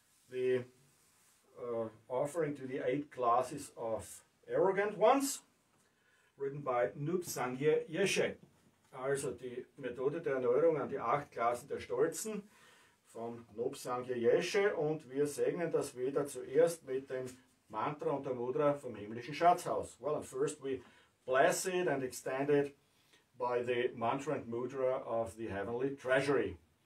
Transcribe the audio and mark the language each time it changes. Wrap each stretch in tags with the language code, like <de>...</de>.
<en>The offering to the eight classes of arrogant ones, written by Nub Sangye Yeshe.</en> <de>Also die Methode der Erneuerung an die acht Klassen der Stolzen von Nub Sangye Yeshe, und wir segnen das Veda zuerst mit dem Mantra und der Mudra vom himmlischen Schatzhaus.</de> <en>Well, and first we bless it and extend it by the mantra and mudra of the heavenly treasury.</en>